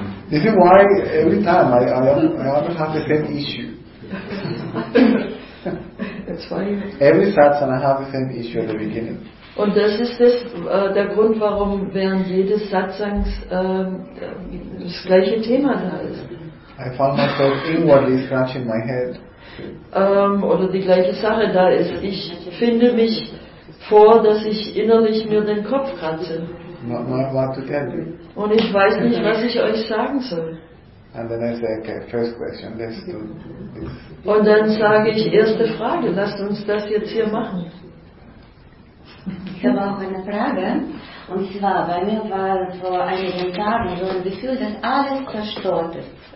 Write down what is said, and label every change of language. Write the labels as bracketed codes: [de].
[en] This is why every time I always have the same issue. That's why. Every satsang I have the same issue at the beginning. [de] Und das ist das, der Grund, warum während jedes Satsangs das gleiche Thema da ist. [en] I found myself inwardly scratching my head. [de] Oder die gleiche Sache da ist. Ich finde mich vor, dass ich innerlich mir den Kopf kratze. Und ich weiß nicht, was ich euch sagen soll. And then I say, okay, first question, let's do this. Und dann sage ich, erste Frage, lasst uns das jetzt hier machen. Ich habe auch eine Frage. Und zwar, bei mir war vor einigen Tagen so ein Gefühl, dass alles zerstört ist.